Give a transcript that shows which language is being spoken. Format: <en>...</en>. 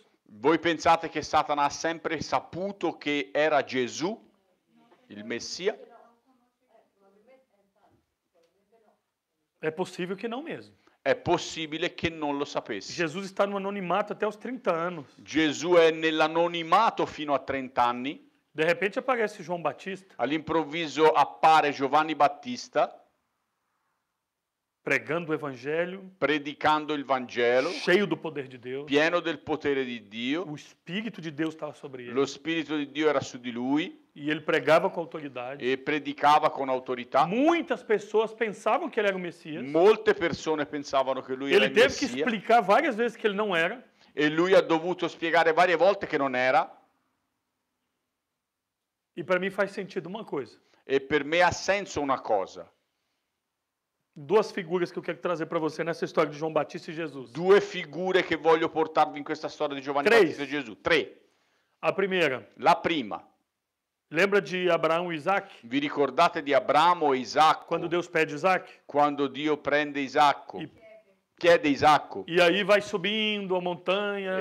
<it>Voi pensate che Satana ha sempre saputo che era Gesù, il Messia? È possibile che non</it> <pt>mesmo.</pt> <it>È possibile che non lo sapesse.</it> <pt>Gesù sta no anonimato até os 30 anos.</pt> <it>Gesù è nell'anonimato fino a 30 anni.</it> <pt>De repente aparece João Batista.</pt> <it>All'improvviso appare Giovanni Battista.</it> <pt>Pregando o evangelho.</pt> <it>Predicando il Vangelo.</it> <pt>Cheio do poder de Deus.</pt> <it>Pieno del potere di Dio.</it> <pt>O Espírito de Deus estava sobre ele.</pt> <it>Lo Spirito di Dio era su di lui.</it> <pt>E ele pregava com autoridade.</pt> <it>E predicava com autoridade.</it> <pt>Muitas pessoas pensavam que ele era o Messias.</pt> <it>Molte persone pensavano che lui</it> <pt>ele</pt> <it>era il Messia.</it> <pt>Ele teve que explicar várias vezes que ele não era.</pt> <it>E lui ha dovuto spiegare varie volte che non era.</it> <pt>E para mim faz sentido uma coisa.</pt> <it>E per me ha senso una cosa.</it> <pt>Duas figuras que eu quero trazer para você nessa história de João Batista e Jesus.</pt> <it>Due figure che voglio portarvi in questa storia di Giovanni Battista e Gesù. Tre.</it> <pt>A primeira.</pt> <it>La prima.</it> <pt>Lembra de Abraão e Isaac?</pt> <it>Vi ricordate di Abramo e Isacco?</it> <pt>Quando Deus pede Isaac?</pt> <it>Quando Dio prende Isacco. Chiede Isacco.</it> <pt>E aí vai subindo a montanha.</pt>